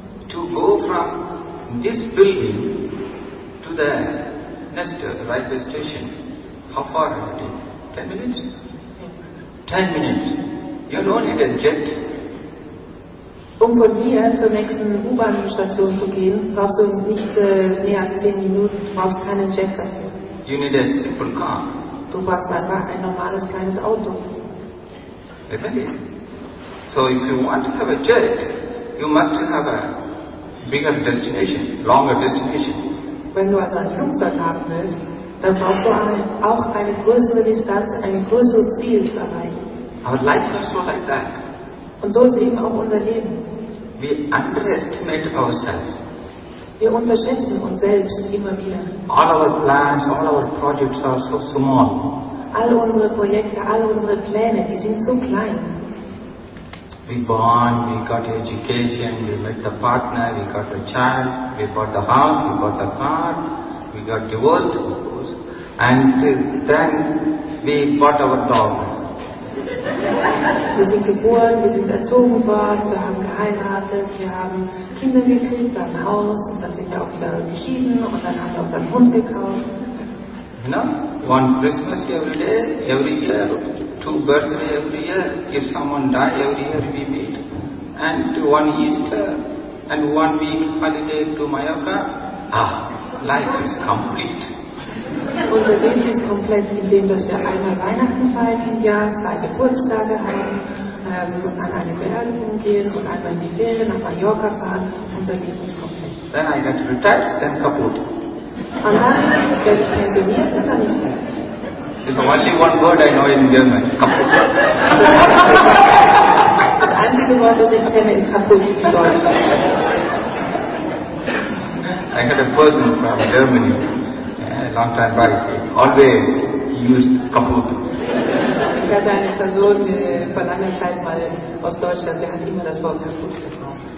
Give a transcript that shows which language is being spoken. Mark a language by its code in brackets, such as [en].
[en] To go from this building to the next railway station, how far it is? 10 minutes? 10 minutes. You don't need a jet. [de] Um von hier zur nächsten U-Bahn-Station zu gehen, brauchst du nicht mehr als 10 Minuten, brauchst keinen Jet dafür. [en] You need a simple car. [de] Du brauchst einfach ein normales kleines Auto. [en] Isn't it? So if you want to have a jet, you must have a bigger destination, longer destination. [de] Wenn du also ein Flugzeug haben willst, dann brauchst du auch eine größere Distanz, ein größeres Ziel zu erreichen. [en] Our life is so like that. [de] Und so ist eben auch unser Leben. [en] We underestimate ourselves. [de] Wir unterschätzen uns selbst immer wieder. [en] All our plans, all our projects are so small. [de] All unsere Projekte, all unsere Pläne, die sind so klein. [en] We born, we got education, we met the partner, we got a child, we bought the house, we bought the car, we got divorced. And then we bought our dog. [de] Wir sind geboren, wir sind erzogen worden, wir haben geheiratet, wir haben Kinder gekriegt, wir haben ein Haus, und dann sind wir auch wieder geschieden und dann haben wir unseren Hund gekauft. [en] You know, one Christmas every day, every year, two birthdays every year, if someone dies every year we meet, and one Easter, and one week holiday to Mallorca, life is complete. [de] Unser Leben ist komplett in dem, dass wir einmal Weihnachten feiern im Jahr, zwei Geburtstage haben, und an eine Beerdigung gehen und einmal in die Ferien nach Mallorca fahren. Unser Leben ist komplett. [en] Then I get retired, then kaputt. [de] Und dann werde ich pensioniert und dann ist fertig. [en] It's only one word I know in German. [de] Kaputt. Das einzige Wort, das ich kenne, ist kaputt in Deutsch. [en] I got a person from Germany. Long time back, he always used kaputt. [de] Ich hatte eine Person vor langer Zeit mal aus Deutschland, der hat immer das Wort kaputt gebraucht.